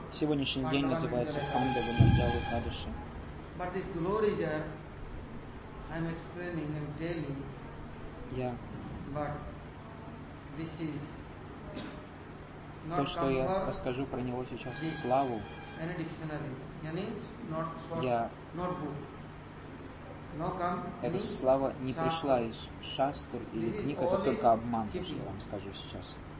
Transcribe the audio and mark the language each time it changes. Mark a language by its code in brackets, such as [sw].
[ru] Сегодняшний день называется Пандава Нирджала Экадаши. [en] But this glory here, I'm explaining, I'm telling. Yeah. But this is. [ru] То, что я расскажу про него сейчас, славу, эта слава не пришла из шастр или книг, это только обман, что я вам скажу сейчас.